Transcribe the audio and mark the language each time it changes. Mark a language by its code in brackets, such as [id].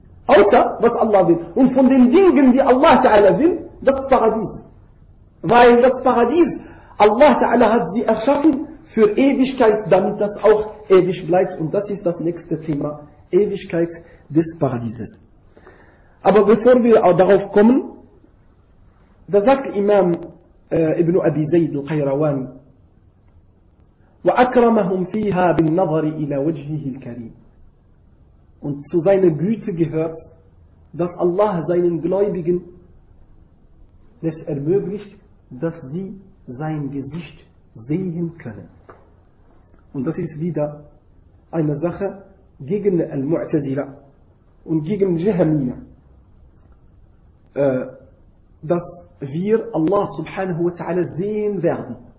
[de] Außer was Allah will. Und von den Dingen, die Allah ta'ala will, das Paradies. Weil das Paradies, Allah ta'ala hat sie erschaffen für Ewigkeit, damit das auch ewig bleibt. Und das ist das nächste Thema. Ewigkeit des Paradieses. Aber bevor wir auch darauf kommen, da sagt Imam ابن أبي زيد القيروان [ar] وأكرمهم فيها بالنظر إلى وجهه الكريم. [de] Und zu seiner Güte gehört, dass Allah seinen Gläubigen es ermöglicht, dass sie sein Gesicht sehen können. Und das ist wieder eine Sache gegen Al-Mu'tazila und gegen Jahmiya, dass wir Allah subhanahu wa ta'ala sehen werden.